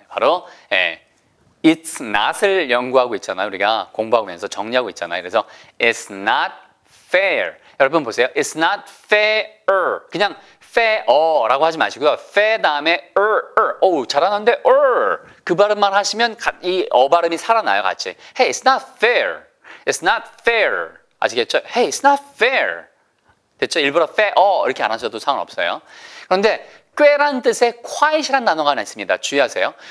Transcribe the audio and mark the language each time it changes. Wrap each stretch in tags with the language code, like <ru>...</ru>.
<ko>바로 예, it's not을 연구하고 있잖아요. 우리가 공부하면서 정리하고 있잖아요.</ko> <en>그래서 it's not fair.</en> <ko>여러분 보세요.</ko> <en>It's not fair.</en> <ko>그냥 fair라고 하지 마시고요. fair 다음에 er. 오, 잘하는데 er. 그 발음만 하시면 이 어 발음이 살아나요, 같이.</ko> <en>Hey, it's not fair. It's not fair.</en> <ko>아시겠죠?</ko> <en>Hey, it's not fair.</en> <ko>됐죠? 일부러 fair 이렇게 안 하셔도 상관없어요. 그런데 꽤란 뜻에 quite이란 단어가 하나 있습니다. 주의하세요.</ko>